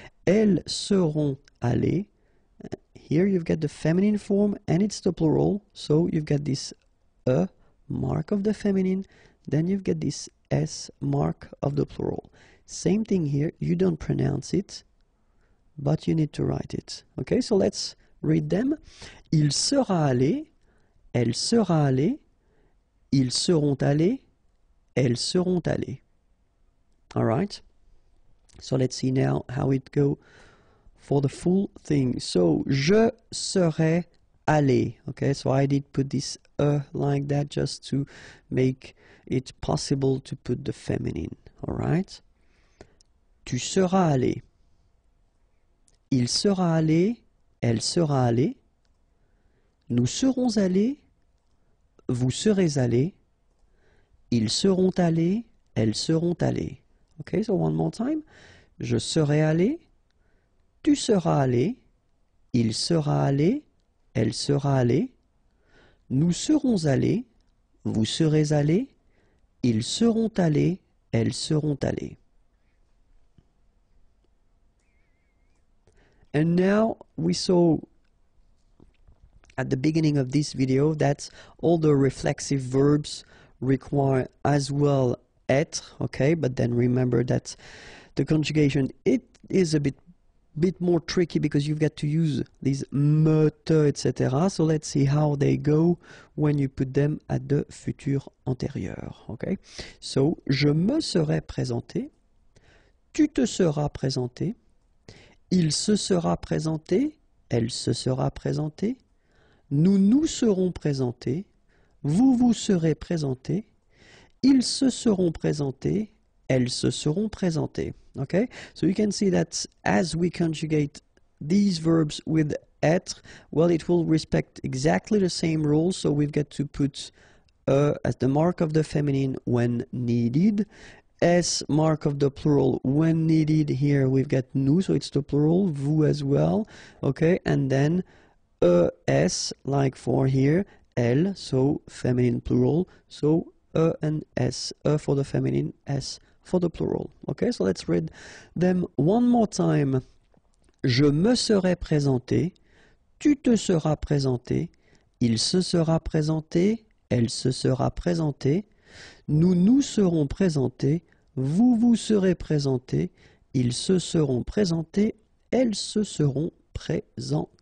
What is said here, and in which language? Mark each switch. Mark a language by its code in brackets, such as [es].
[fr] Elles seront allées. [en] Here you've got the feminine form and it's the plural, so you've got this E mark of the feminine, then you've got this S mark of the plural. Same thing here, you don't pronounce it, but you need to write it. Okay, so let's read them. [fr] Il sera allé, elle sera allée, ils seront allés, elles seront allées. [en] All right? So let's see now how it go for the full thing. So, [fr] je serai allé. [en] Okay, so I did put this E like that just to make it possible to put the feminine. All right? [fr] Tu seras allé. Il sera allé, elle sera allée. Nous serons allés. Vous serez allés, ils seront allés, elles seront allées. [en] Okay, so one more time. [fr] Je serai allé, tu seras allé, il sera allé, elle sera allée. Nous serons allés, vous serez allés, ils seront allés, elles seront allées. [en] And now we saw at the beginning of this video that all the reflexive verbs require as well être, okay, but then remember that the conjugation, it is a bit more tricky because you've got to use these me, te, etc. So let's see how they go when you put them at the futur antérieur, okay? [fr] So, je me serai présenté, tu te seras présenté, il se sera présenté, elle se sera présentée, nous nous serons présentés, vous vous serez présentés, ils se seront présentés, elles se seront présentées. [en] Okay? So you can see that as we conjugate these verbs with être, well, it will respect exactly the same rule. So we've got to put E as the mark of the feminine when needed, S mark of the plural when needed. Here we've got nous, so it's the plural, vous as well. Okay, and then ES, like for here, elle, so feminine plural, so E and S, E for the feminine, S for the plural. Okay, so let's read them one more time. [fr] Je me serai présenté, tu te seras présenté, il se sera présenté, elle se sera présentée, nous nous serons présentés, vous vous serez présentés, ils se seront présentés, elles se seront présentées.